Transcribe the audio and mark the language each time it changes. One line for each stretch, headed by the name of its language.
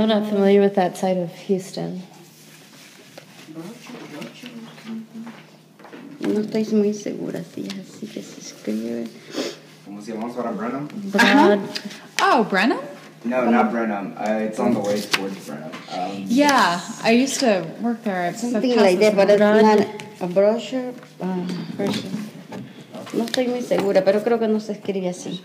English: I'm not familiar with that side of Houston.
Spanish: No estoy muy segura si así que se escribe. ¿Cómo se llama? ¿Para Brenham?
English: Oh, Brenham? No, from not Brenham. It's on the way towards Brenham. Yeah, yes. I used to work there. Something like that, but it's not a brochure. Brochure.
Spanish: No estoy muy segura, pero creo que no se escribe así.